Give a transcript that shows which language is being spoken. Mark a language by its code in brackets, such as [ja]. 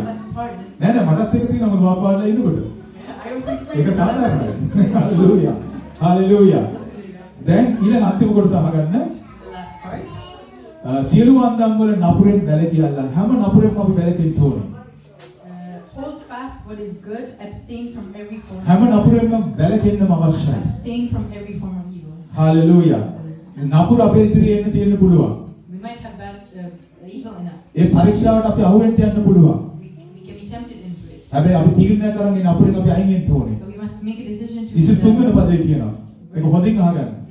[si] නෑ නෑ මටත් එක තියෙනවා මම වාපාලා ඉන්නකොට. [en] I was explaining. [si] ඒක සාමාන්‍යයි. Hallelujah. Hallelujah. දැන් ඊළඟ අන්තිම කොටස අහගන්න. [en] Last part. [si] සියලු වන්දම් වල නපුරෙන් වැළකියල්ලා හැම නපුරෙන්ම අපි වැළකෙන්න ඕන. [en] Hold fast what is good, abstain from every form. [si] හැම නපුරෙන්ම වැළකෙන්නම අවශ්‍යයි. [en] Abstain from every form of evil. Hallelujah. [si] නපුර අපේ ඉදිරියේ එන්න තියෙන්න පුළුවන්. [en] We might have bad evil in us. [si] ඒ පරීක්ෂාවට අපි අහුවෙන්න යන්න පුළුවන්. [en] We can be tempted into it. [si] හැබැයි අපි තීරණය කරන් ඉන්න අපරින් අපි අයින් වෙන්න ඕනේ. [en] We must make a decision to. [si] ඉසු තුන්වෙනි පදේ කියනවා. ඒක හොඳින් අහගන්න.